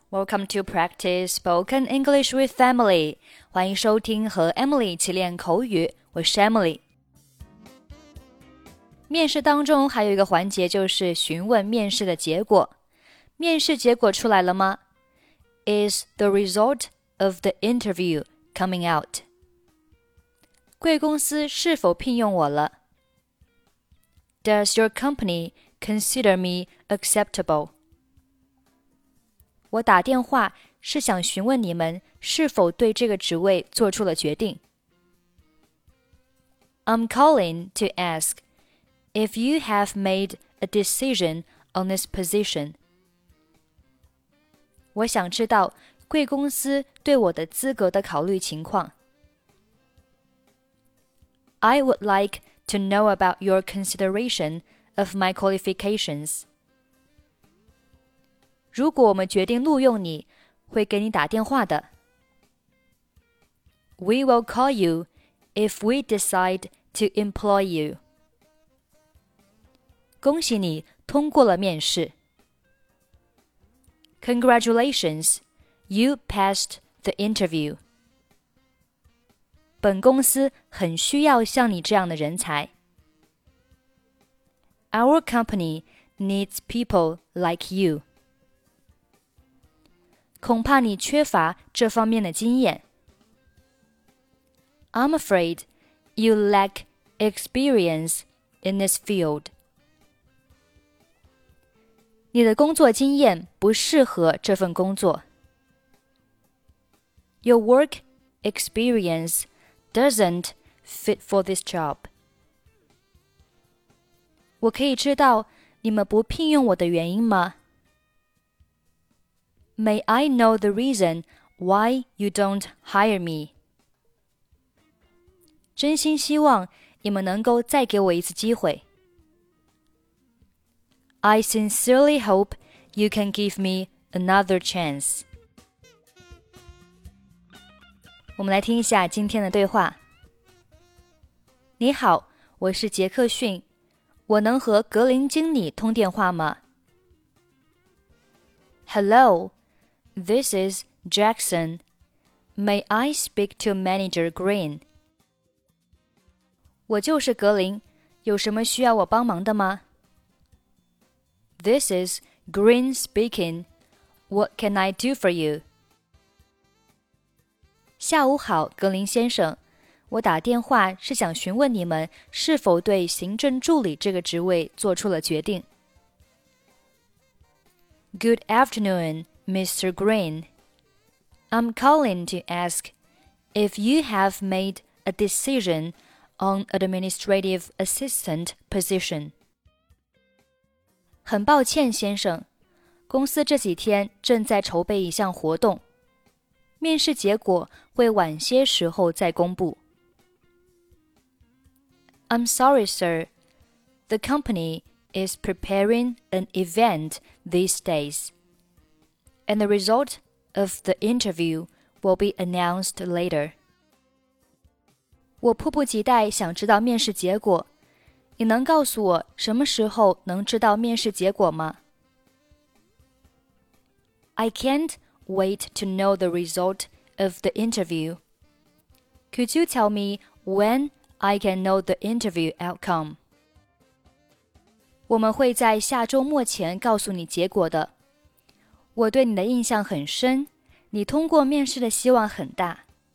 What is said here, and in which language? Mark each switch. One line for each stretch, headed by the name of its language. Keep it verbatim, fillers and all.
English: Welcome to practice spoken English with Emily.
Chinese: 欢迎收听和 Emily 一起练口语，我是 Emily。面试当中还有一个环节就是询问面试的结果。面试结果出来了吗？
English: Is the result of the interview coming out?
Chinese: 贵公司是否聘用我了？
English: Does your company consider me acceptable?
Chinese: 我打电话是想询问你们是否对这个职位做出了决定。
English: I'm calling to ask if you have made a decision on this position.
Chinese: 我想知道贵公司对我的资格的考虑情况。
English: I would like to know about your consideration of my qualifications.
Chinese: 如果我们决定录用你，会给你打电话的。
English: We will call you if we decide to employ you.
Chinese: 恭喜你通过了面试。
English: Congratulations, you passed the interview.
Chinese: 本公司很需要像你这样的人才。
English: Our company needs people like you.
Chinese: 恐怕你缺乏这方面的经验。
English: I'm afraid you lack experience in this field.
Chinese: 你的工作经验不适合这份工作。
English: Your work experience doesn't fit for this job.
Chinese: 我可以知道你们不聘用我的原因吗？
English: May I know the reason why you don't hire me?
Chinese: 真心希望你们能够再给我一次机会。
English: I sincerely hope you can give me another chance.
Chinese: 我们来听一下今天的对话。你好，我是杰克逊，我能和格林经理通电话吗？
English: Hello. This is Jackson. May I speak to Manager Green?
Chinese: 我就是格林，有什么需要我帮忙的吗？
English: This is Green speaking. What can I do for you?
Chinese: 下午好，格林先生。我打电话是想询问你们是否对行政助理这个职位做出了决定。
English: Good afternoon. Mister Green, I'm calling to ask if you have made a decision on administrative assistant position.
Chinese: 很抱歉，先生，公司这几天正在筹备一项活动，面试结果会晚些时候再公布。
English: I'm sorry, sir. The company is preparing an event these days. And the result of the interview will be announced later.
Chinese: 我迫不及待想知道面试结果。你能告诉我什么时候能知道面试结果吗？
English: I can't wait to know the result of the interview. Could you tell me when I can know the interview outcome?
Chinese: 我们会在下周末前告诉你结果的。我对你的印象很深，你通过面试的希望很大。